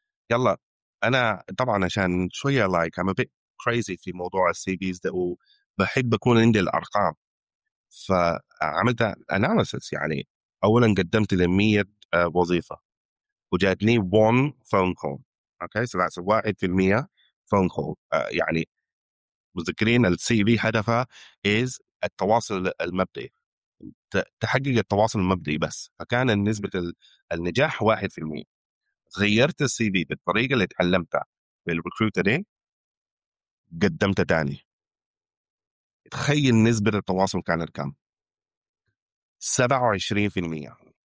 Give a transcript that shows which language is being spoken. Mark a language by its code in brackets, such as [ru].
[ar] يلا أنا طبعا عشان شوية [en] I'm a bit crazy [ar] في موضوع السي فيز ده، وبحب أكون عندي الأرقام، فعملت analysis. يعني أولا قدمت لمية وظيفة وجاتني [en] one phone call. Okay, so that's 1% phone call. [ar] يعني مذكرين السي في هدفها is التواصل المبدئي، تحقق التواصل المبدئي بس، فكان نسبة النجاح 1%. غيرت السي في بالطريقة اللي تعلمتها بالريكروترين، قدمت تاني، تخيل نسبة التواصل كانت كم؟ 27%.